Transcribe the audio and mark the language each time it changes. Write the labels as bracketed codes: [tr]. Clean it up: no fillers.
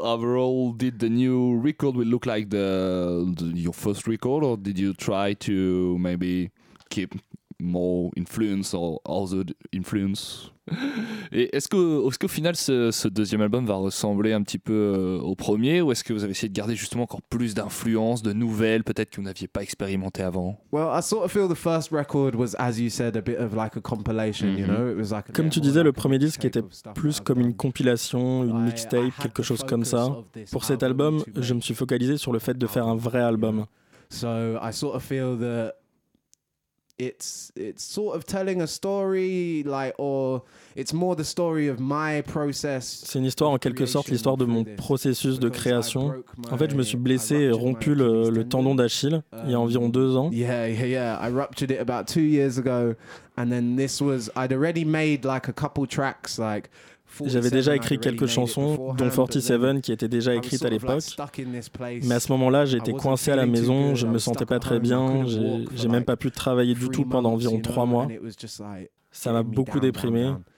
[en] Overall, did the new record will look like your first record, or did you try to maybe keep more influence or other influence? [fr] Et est-ce qu'au final ce deuxième album va ressembler un petit peu au premier, ou est-ce que vous avez essayé de garder justement encore plus d'influence, de nouvelles peut-être que vous n'aviez pas expérimenté avant? [en] Well, I sort of feel the first record was, as you said, a bit of like a compilation, you know? It was like [fr] comme tu disais, le premier disque était plus comme une compilation, une mixtape, quelque chose comme ça. Pour cet album, je me suis focalisé sur le fait de faire un vrai album. [en] So I sort of feel that it's sort of telling a story, like, or it's more the story of my process. [fr] C'est une histoire, en quelque sorte, l'histoire de mon processus de création. En fait, je me suis blessé et rompu le tendon d'Achille il y a environ 2 ans. [en] Yeah. I ruptured it about 2 years ago, and then this was I'd already made like a couple tracks, like. [fr] J'avais déjà écrit quelques chansons, dont 47, qui étaient déjà écrites à l'époque. Mais à ce moment-là, j'étais coincé à la maison, je ne me sentais pas très bien, j'ai même pas pu travailler du tout pendant environ 3 mois. Ça m'a beaucoup déprimé.